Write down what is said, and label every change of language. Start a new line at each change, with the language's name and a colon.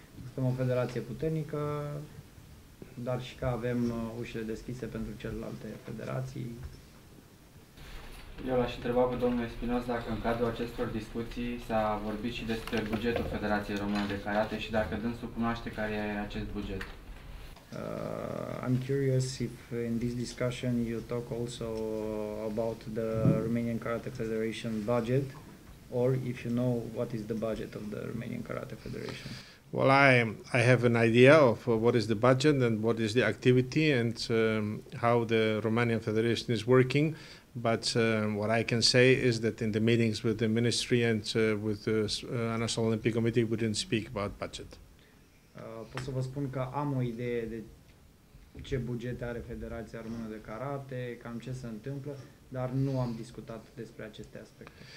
Romanian: Suntem o federație puternică, dar și că avem ușile deschise pentru celelalte federații. Eu l-aș întreba pe domnul Espinos dacă în cadrul acestor discuții s-a vorbit și despre bugetul Federației Române de Karate și dacă dânsul cunoaște care e acest buget.
English: I'm curious if in this discussion you talk also about the Romanian Karate Federation budget or if you know what is the budget of the Romanian Karate Federation. Well, I have an idea of what is the budget and what is the activity and how the Romanian Federation is working, but what I can say is that in the meetings with the Ministry and with the National Olympic Committee we didn't speak about budget.
Romanian: Pot să vă spun că am o idee de ce buget are Federația Română de Karate, cam ce se întâmplă, dar nu am discutat despre aceste aspecte.